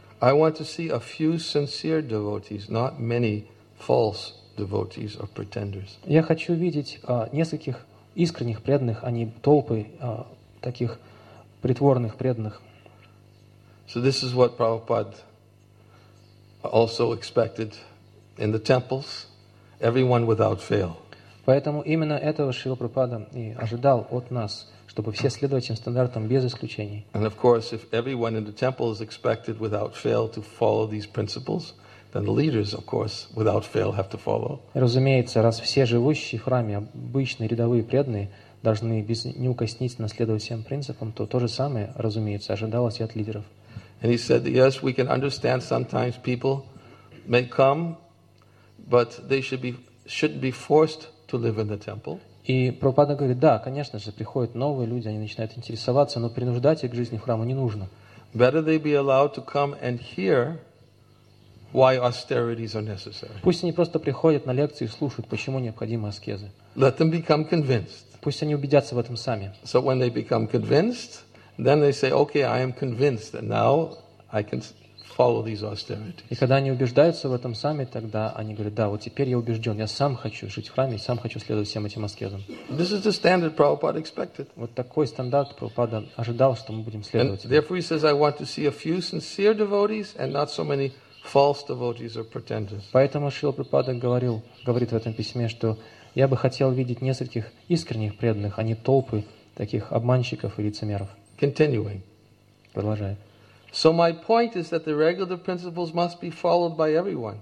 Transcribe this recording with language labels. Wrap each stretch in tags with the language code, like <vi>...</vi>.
<en>I want to see a few sincere devotees, not many false devotees or pretenders.</en> <ru>Я хочу видеть нескольких искренних преданных, а не толпы таких притворных преданных.</ru> <en>So this is what Prabhupada also expected in the temples. Everyone without fail.</en> <ru>Поэтому именно этого Шрила Прабхупада и ожидал от нас, чтобы все следовали этим стандартам без исключений.</ru> <en>And of course, if everyone in the temple is expected without fail to follow these principles, then the leaders, of course, without fail have to follow.</en> <ru>Разумеется, раз все живущие в храме обычные рядовые преданные должны неукоснительно следовать всем принципам, то же самое, разумеется, ожидалось и от лидеров.</ru> <en>And he said, yes, we can understand sometimes people may come, but they shouldn't be forced to live in the temple.</en> <ru>И Прабхупада говорит, да, конечно же, приходят новые люди, они начинают интересоваться, но принуждать их к жизни в храме не нужно.</ru> <en>Better they be allowed to come and hear why austerities are necessary.</en> <ru>Пусть они просто приходят на лекции и слушают, почему необходимы аскезы.</ru> <en>Let them become convinced.</en> <ru>Пусть они убедятся в этом сами.</ru> <en>So when they become convinced, then they say, okay, I am convinced, and now I can follow these austerities.</en> <ru>И когда они убеждаются в этом сами, тогда они говорят, да, вот теперь я убежден, я сам хочу жить в храме, сам хочу следовать всем этим аскезам.</ru> <en>This is the standard Prabhupada expected.</en> <ru>Вот такой стандарт Прабхупада ожидал, что мы будем следовать.</ru> <en>And therefore he says, I want to see a few sincere devotees and not so many false devotees or pretenders.</en> <ru>Поэтому Шрила Прабхупада говорит в этом письме, что я бы хотел видеть нескольких искренних преданных, а не толпы таких обманщиков и лицемеров.</ru> <en>Continuing.</en> <ru>Продолжает.</ru> <en>So my point is that the regular principles must be followed by everyone.</en>